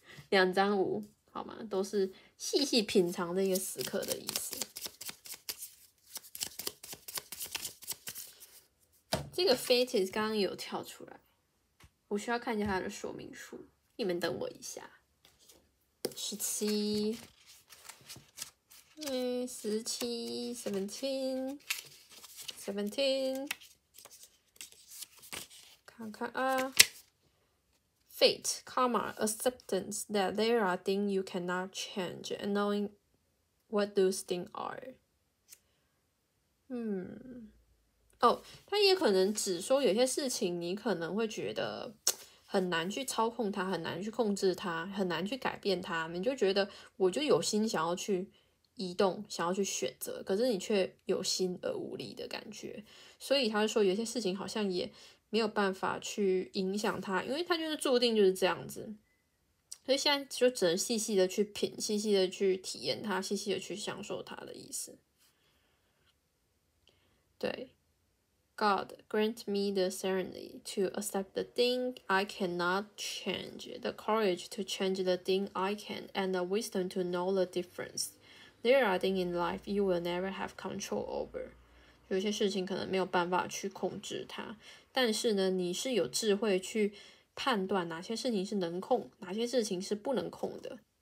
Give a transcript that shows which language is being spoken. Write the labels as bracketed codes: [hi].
[zh] 两张五好吗，都是细细品尝这个时刻的意思。这个 Fate 刚刚有跳出来，我需要看一下他的说明书，你们等我一下。 [en] 17 17 17 17， [zh] 看看啊， [en] Fate Karma Acceptance that there are things you cannot change and knowing what those things are。 [zh] 它也可能只说有些事情你可能会觉得很难去操控它，很难去控制它，很难去改变它，你就觉得我就有心想要去移动，想要去选择，可是你却有心而无力的感觉。所以他就说有些事情好像也没有办法去影响它，因为它就是注定就是这样子，所以现在就只能细细的去品，细细的去体验它，细细的去享受它的意思。 [en] 对，God grant me the serenity to accept the thing I cannot change, the courage to change the thing I can, and the wisdom to know the difference. There are things in life you will never have control over. [zh] 有些事情可能没有办法去控制它，但是呢，你是有智慧去判断哪些事情是能控，哪些事情是不能控的。